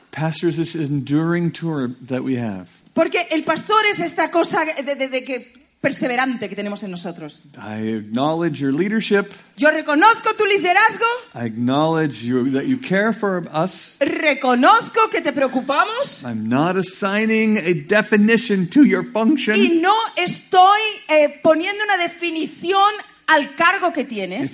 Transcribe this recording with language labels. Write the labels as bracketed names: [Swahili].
[English] Pastor is this enduring tour that we have. [Spanish] Porque el pastor es esta cosa de que perseverante que tenemos en nosotros. [English] I acknowledge your leadership. [Spanish] Yo reconozco tu liderazgo. [English] I acknowledge you, that you care for us. [Spanish] Reconozco que te preocupamos. [English] I'm not assigning a definition to your function. [Spanish] Y no estoy poniendo una definición al cargo que tienes.